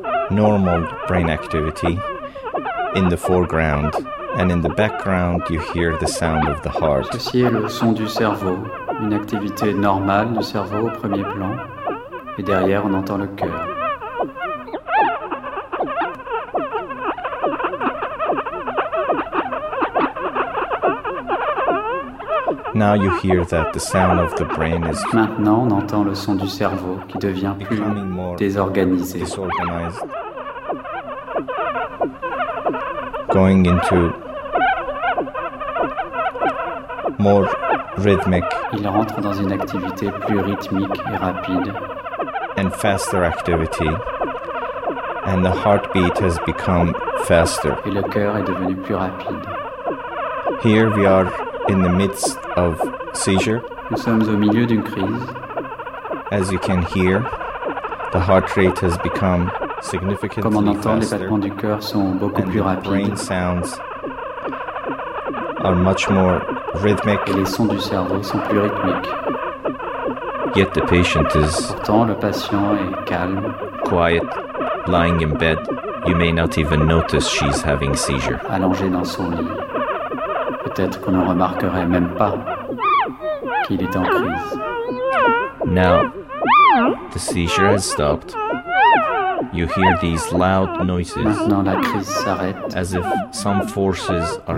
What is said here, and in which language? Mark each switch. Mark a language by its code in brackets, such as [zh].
[en] Normal brain activity in the foreground, and in the background you hear the sound of the heart. [fr] Ceci est le son du cerveau, une activité normale du cerveau au premier plan, et derrière on entend le cœur. [en] Now you hear that the sound of the brain is [fr] maintenant on entend le son du cerveau qui devient plus désorganisé. [en] Going into more rhythmic. [fr] Il rentre dans une activité plus rythmique et rapide. [en] And faster activity. And the heartbeat has become faster. [fr] Et le cœur est devenu plus rapide. [en] Here we are in the midst of seizure. [fr] Nous sommes au milieu d'une crise. [en] As you can hear, the heart rate has become significantly [fr] comme on entend, les battements du cœur sont beaucoup plus rapides. [en] Are much more rhythmic. [fr] Et les sons du cerveau sont plus rythmiques. [en] Yet the patient is [fr] pourtant, le patient est calme. [en] Quiet, lying in bed, you may not even notice she's having seizure. [fr] Allongé dans son lit, peut-être qu'on ne remarquerait même pas qu'il est en crise. [en] Now, the seizure has stopped. You hear these loud noises. [fr] Maintenant, la crise s'arrête. [en] As if some forces are